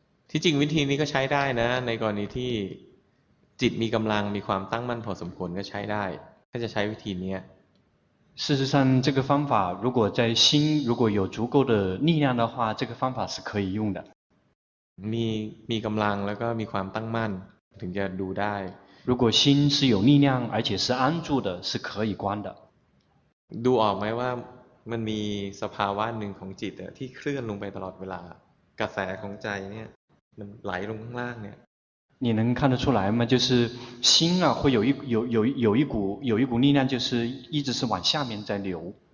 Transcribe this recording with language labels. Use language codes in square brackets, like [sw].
[th] ที่จริงวิธีนี้ก็ใช้ได้นะในกรณีที่จิตมีกำลังมีความตั้งมั่นพอสมควรก็ใช้ได้ถ้าจะใช้วิธีนี้ [zh] 事实上这个方法如果在心如果有足够的力量的话这个方法是可以用的 [th] มีกำลังแล้วก็มีความตั้งมั่นถึงจะดูได้ [zh] 如果心是有力量而且是安住的是可以观的 [th] ดูออกไหมว่ามันมีสภาวะหนึ่งของจิตที่เคลื่อนลงไปตลอดเวลากระแสของใจเนี่ยมันไหลลงข้างล่างเนี่ย [zh] 你能看得出来吗？就是心啊，会有一股力量，就是一直是往下面在流。